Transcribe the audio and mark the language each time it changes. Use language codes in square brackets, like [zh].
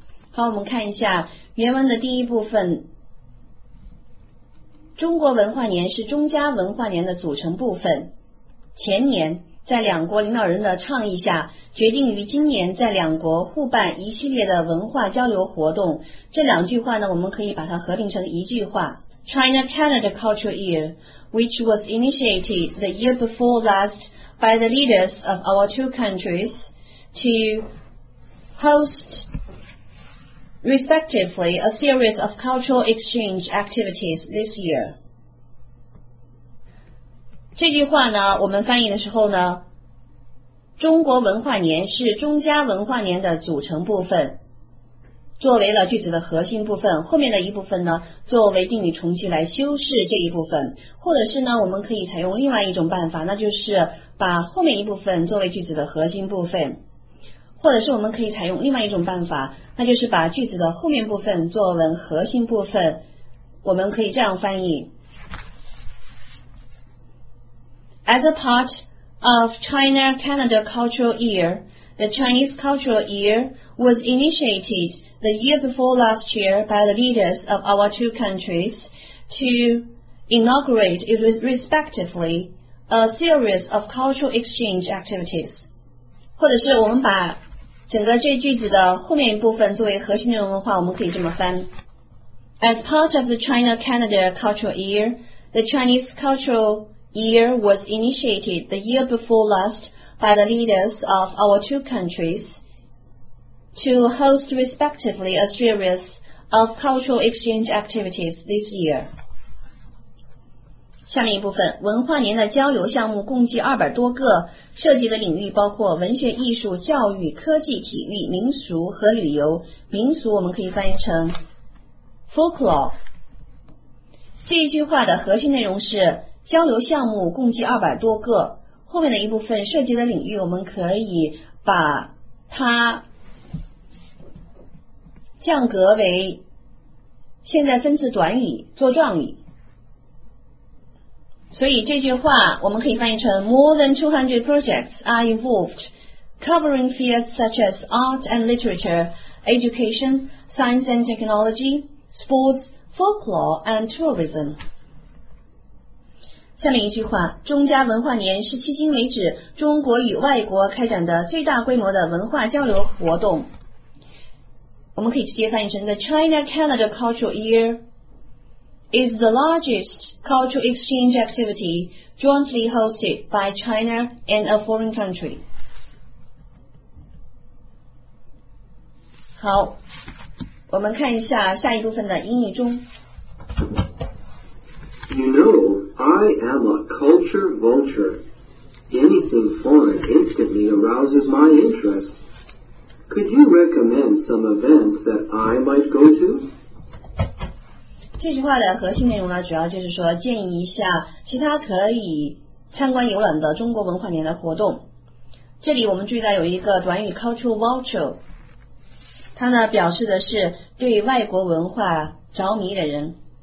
[zh] 好，我们看一下原文的第一部分，中国文化年是中加文化年的组成部分，前年在两国领导人的倡议下，决定于今年在两国互办一系列的文化交流活动。这两句话呢，我们可以把它合并成一句话， [en] China Canada Cultural Year, which was initiated the year before last by the leaders of our two countries to host, respectively, a series of cultural exchange activities this year. [zh] 这句话呢，我们翻译的时候呢，中国文化年是中加文化年的组成部分，作为了句子的核心部分，后面的一部分呢，作为定语从句来修饰这一部分，或者是呢，我们可以采用另外一种办法，那就是把后面一部分作为句子的核心部分，或者是我们可以采用另外一种办法，那就是把句子的后面部分作为核心部分，我们可以这样翻译。 [en] As a part of China-Canada cultural year, the Chinese cultural year was initiated the year before last year by the leaders of our two countries to inaugurate respectively a series of cultural exchange activities. [zh] 或者是我们把整个这句子的后面一部分作为核心内容的话，我们可以这么翻。 [en] As part of the China-Canada cultural year, the Chinese cultural year was initiated the year before last by the leaders of our two countries to host respectively a series of cultural exchange activities this year. [zh] 下面一部分，文化年的交流项目共计200多个，涉及的领域包括文学艺术、教育、科技、体育、民俗和旅游。民俗我们可以翻译成 folklore。这一句话的核心内容是交流项目共计200多个，后面的一部分涉及的领域我们可以把它降格为现在分词短语做状语，所以这句话我们可以翻译成 [en] More than 200 projects are involved covering fields such as art and literature, education, science and technology, sports, folklore and tourism。 [zh] 下面一句话，中加文化年是迄今为止中国与外国开展的最大规模的文化交流活动。我们可以直接翻译成 [en] The China-Canada Cultural Year is the largest cultural exchange activity jointly hosted by China and a foreign country. [zh] 好，我们看一下下一部分的英语中。 [en] You know, I am a culture vulture. Anything foreign instantly arouses my interest. Could you recommend some events that I might go to? [zh] 这句话的核心内容呢，主要就是说建议一下其他可以参观游览的中国文化年的活动。这里我们注意到有一个短语 cultural vulture， 它呢表示的是对外国文化着迷的人。